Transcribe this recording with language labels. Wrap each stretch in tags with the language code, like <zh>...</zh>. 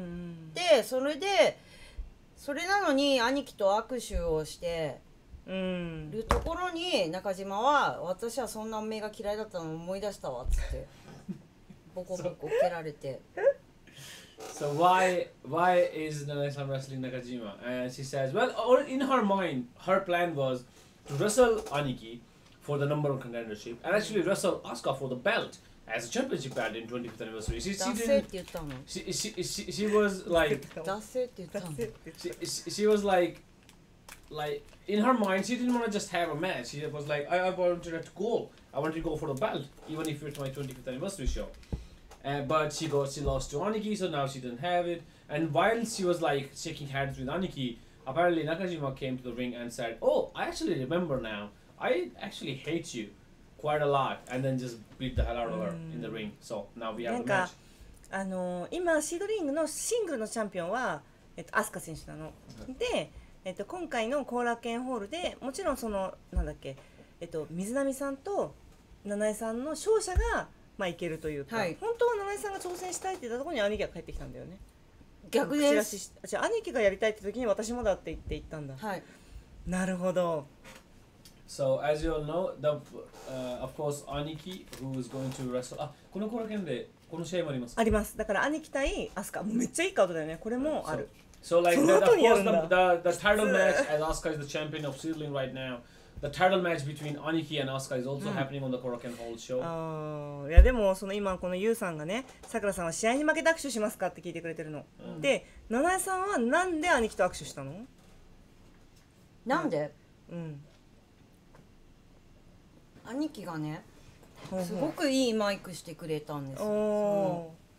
<ja>うんうん、それでそれなのに兄貴と握手をしてうん、るところに中島は私はそんな目が嫌いだったのを思い出したわっつってボコボコ蹴られて。</ja> <en>So why is Nanae-san wrestling Nakajima? And she says, well, in her mind, her plan was to wrestle Aniki for the number one contendership and actually wrestle Asuka for the belt as a championship band in 25th anniversary. She was like, in her mind, she didn't want to just have a match. She was like, I wanted to go. I wanted to go for the belt, even if it's my 25th anniversary show. But she lost to Aniki, so now she didn't have it. And while she was like shaking hands with Aniki, apparently Nakajima came to the ring and said, oh, I actually remember now. I actually hate you quite a lot. And then just beat the hell out of her in the ring. So now we have the match.</en> <ja>今シードリングのシングルのチャンピオンは、アスカ選手なの。で、今回の後楽園ホールでもちろんその、なんだっけ、水波さんと七重さんの勝者が、まあ、いけるというか、はい、本当は七重さんが挑戦したいって言ったところに兄貴が帰ってきたんだよね。逆です。じゃあ兄貴がやりたいって時に私もだって言って行ったんだ。はい、なるほど。</ja> <en>So as you all know, the, of course, 兄貴 who is going to wrestle</en> <ja>あ、この後楽園でこの試合もありますか？あります。だから兄貴対アスカ、もうめっちゃいいカードだよね。これもある、</ja> <en>so. So like that, of course, the title match, as Asuka is the champion of Seedling right now, the title match between Aniki and Asuka is also happening on the Korakuen Hall show.</en> <ja>いやでもその今このユウさんがね、さくらさんは試合に負けて握手しますかって聞いてくれてるの。で、ナナエさんはなんで兄貴と握手したの？なんで？うん。兄貴がね、すごくいいマイクしてくれたんですよ。</ja>